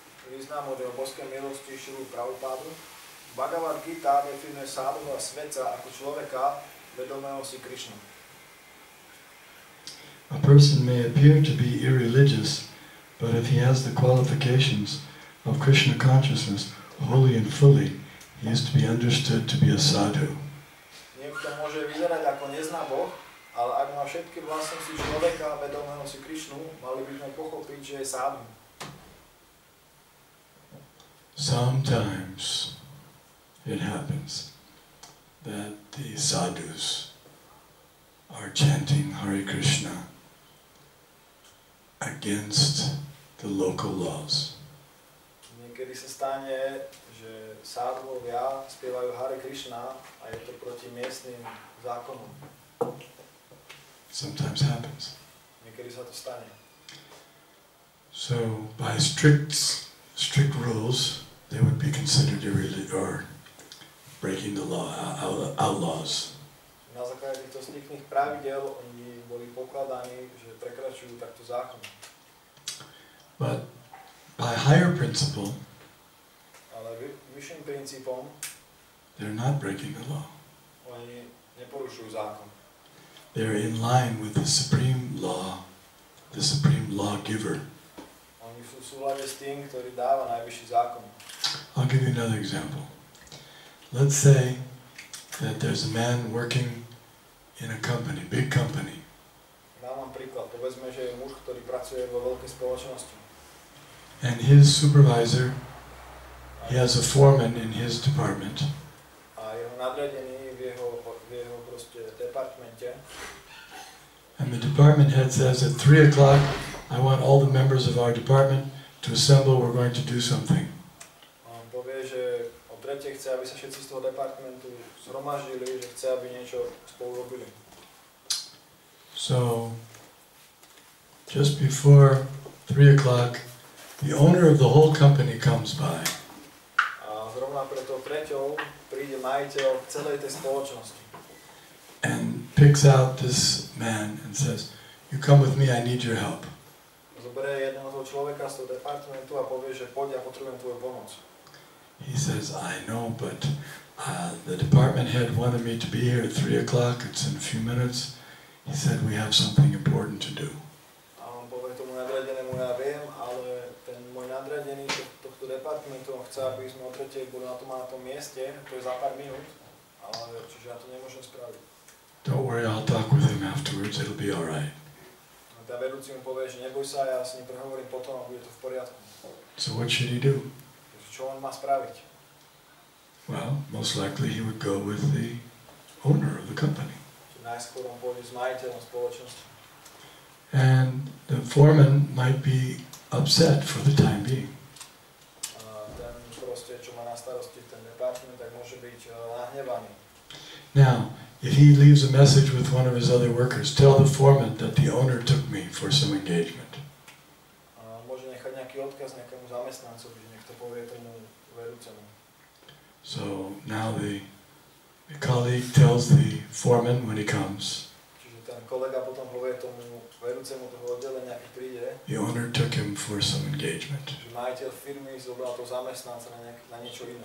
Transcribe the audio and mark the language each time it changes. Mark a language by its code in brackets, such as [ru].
[sk] Význam od obrovskej milosti Srilu Prabhupadu. Bhagavad Gita definuje sadhu a svetca ako človeka vedomého si Krishna. [en] A person may appear to be irreligious, but if he has the qualifications of Krishna consciousness wholly and fully, he is to be understood to be a sadhu. [sk] Niekto môže vyzerať ako neznáboh, ale ak má všetky vlastnosti človeka vedomého si Krishnu, mali by sme pochopiť, že je sadhu. [en] Sometimes it happens that the sadhus are chanting Hare Krishna against the local laws. [sk] Niekedy sa stane, že sadhuvia spievajú Hare Krishna a je to proti miestnym zákonom. [en] Sometimes happens. [sk] Niekedy sa to stane. [en] So by strict rules, they would be considered or breaking the law, outlaws. [sk] Na základe týchto strictných pravidel oni boli pokladaní, že prekračujú takto zákon. [en] But by higher principle, [sk] ale vyšším princípom, [en] they're not breaking the law. [sk] Oni neporušujú zákon. [en] They're in line with the supreme law, the supreme lawgiver. [sk] Oni sú v súhľade s tým, ktorý dáva najvyšší zákon. [en] I'll give you another example. Let's say that there's a man working in a company, big company. [sk] Dám vám príklad. Povedzme, že je muž, ktorý pracuje vo veľkej spoločnosti. [en] And his supervisor, he has a foreman in his department. [sk] A jeho nadriadený v jeho proste departmente. [en] And the department head says at 3 o'clock, I want all the members of our department to assemble, we're going to do something. [sk] On povie, že o 3 chce, aby sa všetci z toho departmentu zhromaždili, že chce, aby niečo spolu robili. [en] So, just before 3 o'clock, the owner of the whole company comes by. [sk] A zrovna pred tou 3 príde majiteľ celej tej spoločnosti. [en] And picks out this man and says, you come with me, I need your help. [sk] Zobere jedného toho človeka z toho departmentu a povie, že poď, ja potrebujem tvoju pomoc. [en] He says, I know, but the department head wanted me to be here at 3 o'clock, it's in a few minutes. He said, we have something important to do. [sk] A on povie tomu nadradenému, ja viem, ale ten môj nadradený tohto departmentu, on chce, aby sme odretili, budú na tom a na tom mieste, to je za pár minút, ale čiže ja to nemôžem spraviť. [en] Don't worry, I'll talk with him afterwards, it'll be all right. [sk] Tá vedúci mu povie, že neboj sa, ja s ním prehovorím potom a bude to v poriadku. [en] So what should he do? [sk] Čo on má spraviť? [en] Well, most likely he would go with the owner of the company. [sk] Najskôr on pôjde s majiteľom spoločnosti. [en] And the foreman might be upset for the time being. [sk] Ten proste, čo má na starosti ten department, tak môže byť nahnevaný. [en] Now, if he leaves a message with one of his other workers, tell the foreman that the owner took me for some engagement. [sk] Môže nechať nejaký odkaz nejakému zamestnancovi, že niekto povie tomu vedúcemu. [en] So now the colleague tells the foreman when he comes. [sk] Čiže ten kolega potom povie tomu vedúcemu toho oddelenia, keď príde. [en] The owner took him for some engagement. [sk] Čiže majiteľ firmy zobral toho zamestnanca na niečo iné.